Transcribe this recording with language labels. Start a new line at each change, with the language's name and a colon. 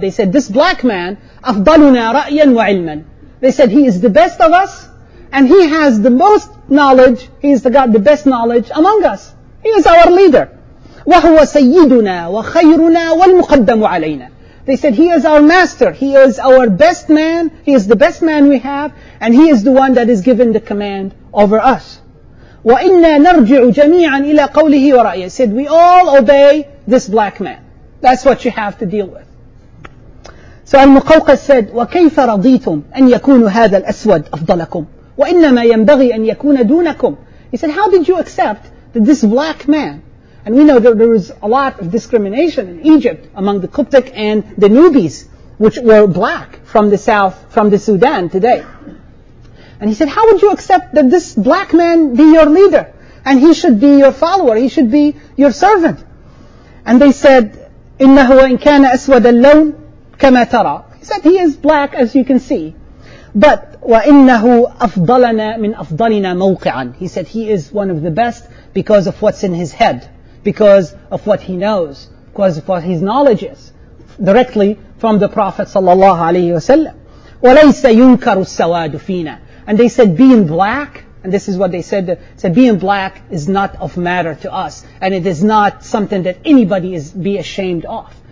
English: They said, this black man,
Arabic: أفضلنا رأيا وعلما.
English: They said, he is the best of us, and he has the most knowledge, he has got the best knowledge among us. He is our leader.
Arabic: وهو سيدنا وخيرنا والمقدم علينا.
English: They said, he is our master, he is our best man, he is the best man we have, and he is the one that is given the command over us.
Arabic: وإنا نرجع جميعا إلى قوله ورأيه.
English: He said, we all obey this black man. That's what you have to deal with. So Al-Muqawqas said,
Arabic: وكيف رضيتم أن يكون هذا الأسود أفضلكم وإنما ينبغي أن يكون دونكم.
English: He said, how did you accept that this black man? And we know that there is a lot of discrimination in Egypt among the Coptic and the Nubis, which were black from the south, from the Sudan today. And he said, how would you accept that this black man be your leader? And he should be your follower, he should be your servant. And they said,
Arabic: إِنَّهُ وَإِنْ كَانَ أَسْوَدَ اللَّوْنِ كَمَا تَرَى.
English: He said, he is black as you can see.
Arabic: But وَإِنَّهُ أَفْضَلَنَا مِنْ أَفْضَلِنَا مَوْقِعًا.
English: He said, he is one of the best because of what's in his head, because of what he knows, because of what his knowledge is, directly from the Prophet sallallahu alayhi wa sallam.
Arabic: وَلَيْسَ يُنْكَرُ السَّوَادُ فِينَا.
English: And they said, being black, and this is what they said, said, being black is not of matter to us, and it is not something that anybody is be ashamed of.